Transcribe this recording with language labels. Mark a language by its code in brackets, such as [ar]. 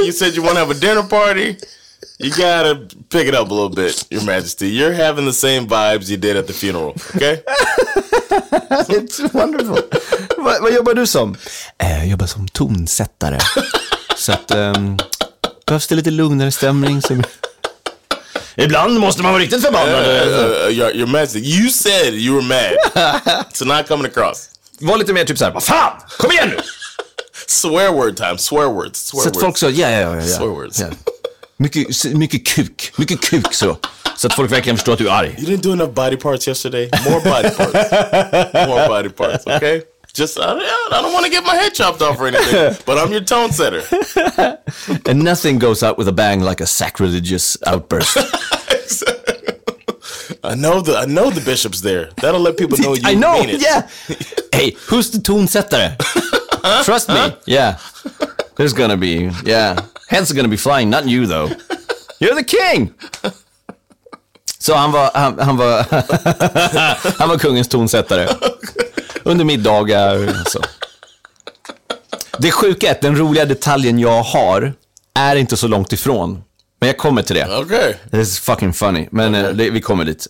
[en] You said you wanna have a dinner party. You gotta pick it up a little bit, Your Majesty. You're having the same vibes you did at the funeral, okay? It's wonderful. [sv] Vad jobbar du som? Jag jobbar som tonsättare. Så att behövs det lite lugnare stämning som... Ibland måste man vara riktigt förbannad. [en] Your Majesty, you said you were mad. It's not coming across. [sv] Var lite mer typ så här, vad fan? Kom igen nu. [en] Swear word time, swear words, swear [sv] så [en] words. [sv] Att folk så ja. [en] Swear words. [sv] Ja. Mycket kuk så. Så att folk verkligen förstår att du är arg. [en] You didn't do enough body parts yesterday. More body parts. More body parts, okay? Just, I don't want to get my head chopped off or anything. But I'm your tone setter. And nothing goes out with a bang like a sacrilegious outburst. I know the bishop's there. That'll let people know you I know, mean it. Yeah. Hey, who's the tone setter? Trust me, yeah. There's gonna be, yeah. Hands are gonna be flying, not you though. You're the king! [sv] Så han var kungens tonsättare. Under middagar och så. Det sjuka är att den roliga detaljen jag har är inte så långt ifrån. Men jag kommer till det. [en] Okay. This is fucking funny. [sv] Men okay. Vi kommer dit.